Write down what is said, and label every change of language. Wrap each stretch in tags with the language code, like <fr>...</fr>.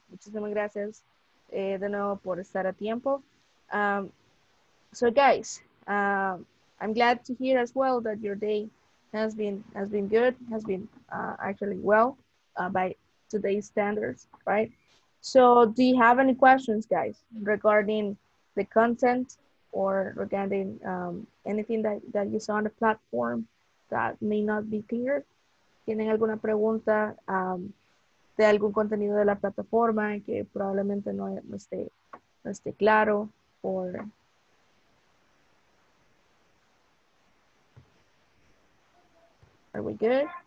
<es>Muchísimas gracias de nuevo por estar a tiempo.</es> <en>So guys, I'm glad to hear as well that your day has been good, has been actually well by today's standards, right? So do you have any questions, guys, regarding the content or regarding anything that you saw on the platform that may not be clear?</en> <es>¿Tienen alguna pregunta de algún contenido de la plataforma que probablemente no esté claro?</es> <en>Or... Are we good?</en>